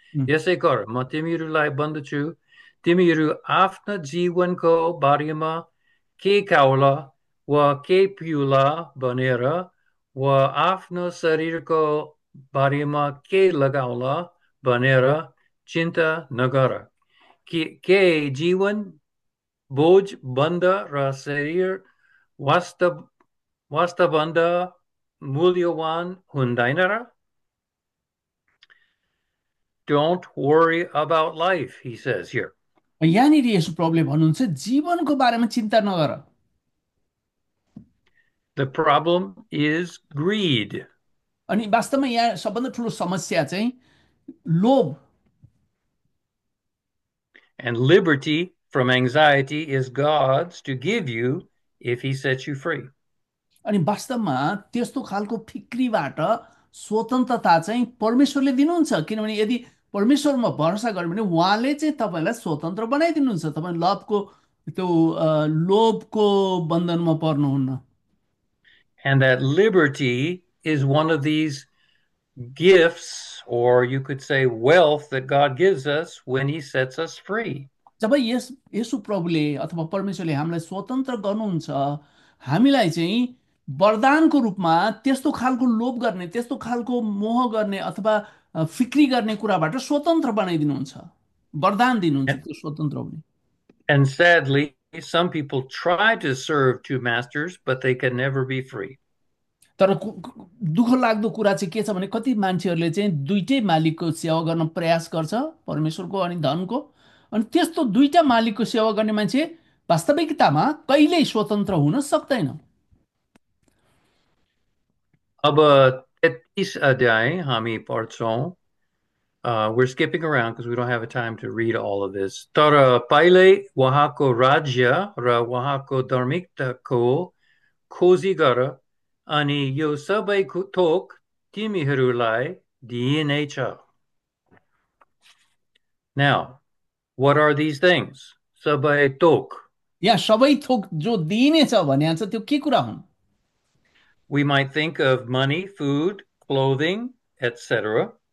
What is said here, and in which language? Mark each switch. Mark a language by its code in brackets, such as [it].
[ne] यसै गर, म तिमीहरूलाई भन्दछु, तिमीहरू आफ्नो जीवनको बारेमा के खाओला वा के पिउला भनेर वा आफ्नो शरीरको बारेमा के लगाउला भनेर चिन्ता नगर, के जीवन बोझ बन्द र शरीर वास्तवन्द मूल्यवान हुँदैन र? [en] Don't worry about life, he says here. [ne] यहाँनिर यसो प्रब्लम भन्नुहुन्छ, जीवनको बारेमा चिन्ता नगर। [en] The problem is greed. [ne] अनि वास्तवमा यहाँ सबभन्दा ठुलो समस्या चाहिँ लोभ। [en] And liberty from anxiety is God's to give you if He sets you free. [ne] अनि वास्तवमा त्यस्तो खालको फिक्रीबाट स्वतन्त्रता चाहिँ परमेश्वरले दिनुहुन्छ, किनभने यदि परमेश्वरमा भरोसा गर्यो भने उहाँले चाहिँ तपाईँलाई स्वतन्त्र बनाइदिनुहुन्छ, तपाईँ लभको त्यो लोभको बन्धनमा पर्नुहुन्न। [en] And that liberty is one of these gifts, or you could say wealth, that God gives us when He sets us free. [ne] जब येशु प्रभुले अथवा परमेश्वरले हामीलाई स्वतन्त्र गर्नुहुन्छ, हामीलाई चाहिँ वरदानको रूपमा त्यस्तो खालको लोभ गर्ने, त्यस्तो खालको मोह गर्ने अथवा फिक्री गर्ने कुराबाट स्वतन्त्र बनाइदिनुहुन्छ, वरदान दिनुहुन्छ त्यो स्वतन्त्र हुने। [en] And sadly, some people try to serve two masters, but they can never be free. [ne] तर दुःख लाग्दो कुरा चाहिँ के छ भने, कति मान्छेहरूले चाहिँ दुइटै मालिकको सेवा गर्न प्रयास गर्छ, परमेश्वरको अनि धनको, अनि त्यस्तो दुइटा मालिकको सेवा गर्ने मान्छे वास्तविकतामा कहिल्यै स्वतन्त्र हुन सक्दैन। अब 33 अध्याय हामी पढ्छौँ। [en] We're skipping around because we don't have a time to read all of this. [ne] तर पहिले वहाँको राज्य र वहाँको धार्मिकताको खोजी गर, अनि यो सबै थोक तिमीहरूलाई दिइनेछ। [en] Now, what are these things? [ne] सबै थोक। यहाँ सबै थोक जो दिइनेछ भने आउँछ, त्यो के कुरा हुन्? [en] We might think of money, food, clothing, etc.